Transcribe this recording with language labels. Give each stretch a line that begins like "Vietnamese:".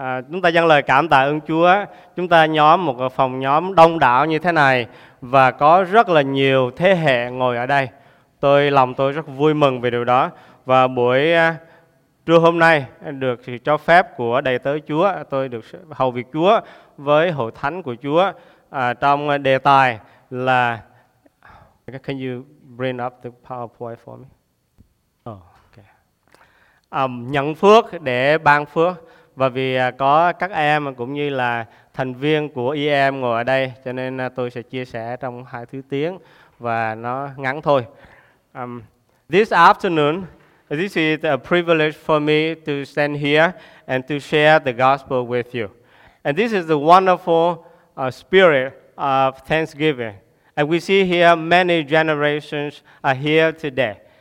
Vietnamese: Chúng ta dâng lời cảm tạ ơn Chúa. Chúng ta nhóm, một phòng nhóm đông đảo như thế này và có rất là nhiều thế hệ ngồi ở đây. Lòng tôi rất vui mừng về điều đó. Và buổi trưa hôm nay được sự cho phép của đầy tớ Chúa, tôi được hầu việc Chúa với hội thánh của Chúa trong đề tài là...
English: Can you bring up the PowerPoint for me?
Vietnamese: Nhận phước để ban phước. Và vì có các em cũng như là thành viên của EM ngồi ở đây, cho nên tôi sẽ chia sẻ trong hai thứ tiếng và nó ngắn thôi.
English: This afternoon, this is a privilege for me to stand here and to share the gospel with you. And this is the wonderful spirit of Thanksgiving. And we see here many generations are here today.